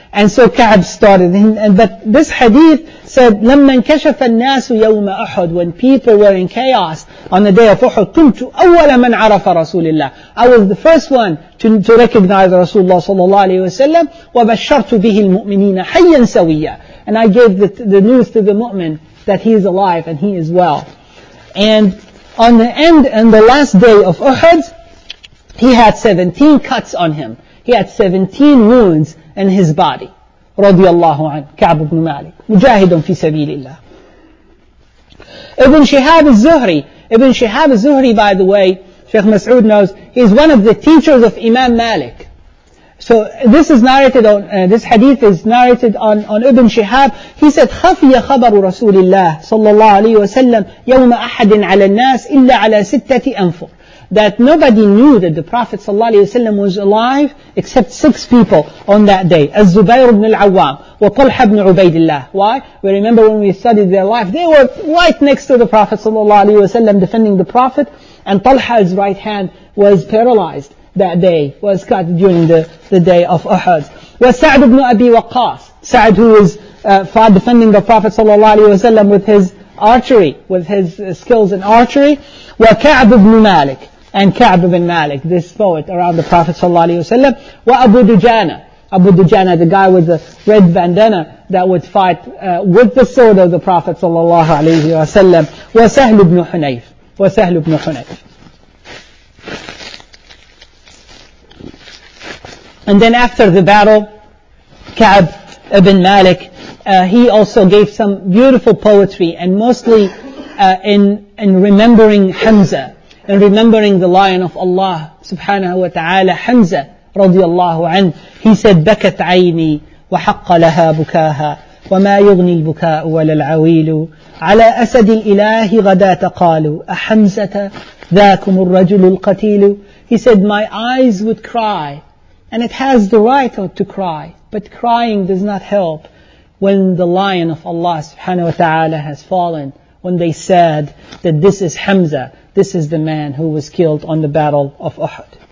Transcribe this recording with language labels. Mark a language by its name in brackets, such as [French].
[English] And so Ka'b started, but this hadith said, [Arabic] لَمَّنْ كَشَفَ النَّاسُ يَوْمَ أُحُدْ, [English] when people were in chaos on the day of Uhud, [Arabic] كُنْتُ أَوَّلَ مَنْ عَرَفَ رَسُولِ اللَّهِ, [English] I was the first one to recognize Rasulullah sallallahu alayhi wa sallam, [Arabic] وَبَشَّرْتُ بِهِ الْمُؤْمِنِينَ حَيًّا سَوِيًّا, [English] and I gave the news to the mu'min that he is alive and he is well. And on the end and the last day of Uhud, he had 17 cuts on him. He had 17 wounds in his body. [Arabic] رضي الله عنه, Ka'b ibn Malik, مجاهد في سبيل الله. [English] Ibn Shihab al-Zuhri, Ibn Shihab al-Zuhri, by the way, Sheikh Mas'ud knows, he's one of the teachers of Imam Malik. So this is narrated on, this hadith is narrated on Ibn Shihab. He said, [Arabic] خَفِيَ خَبَرُ رَسُولِ اللَّهِ صلى الله عليه وسلم يَوْمَ أَحَدٍ عَلَى النَّاسِ إِلَّا عَلَى سِتَّةِ أَنْفُرٍ, [English] that nobody knew that the Prophet ﷺ was alive except six people on that day. Az-Zubayr ibn al-Awwam wa Talha ibn Ubaidillah. Why? We remember when we studied their life, they were right next to the Prophet ﷺ defending the Prophet, and Talha's right hand was paralyzed that day, was cut during the day of Uhud. Wa Sa'd ibn Abi Waqqas, Sa'd who was defending the Prophet ﷺ with his archery, with his skills in archery. Wa Ka'b ibn Malik, and Ka'b ibn Malik, this poet around the Prophet sallallahu alaihi wasallam, wa Abu Dujana. Abu Dujana, the guy with the red bandana that would fight with the sword of the Prophet sallallahu alaihi wasallam, wa Sahl ibn Hunayf. Wa Sahl ibn Hunayf. And then after the battle, Ka'b ibn Malik, he also gave some beautiful poetry, and mostly in remembering Hamza. And remembering the lion of Allah subhanahu wa ta'ala, Hamza radiallahu anhu, he said, [Arabic] بكت عيني وحق لها بكاها وما يغني البكاء ولا العويل على أسد الإله غدا تقالوا أحمزة ذاكم الرجل القتيل. [English] He said, my eyes would cry, and it has the right to cry, but crying does not help when the lion of Allah subhanahu wa ta'ala has fallen, when they said that this is Hamza, this is the man who was killed on the Battle of Uhud.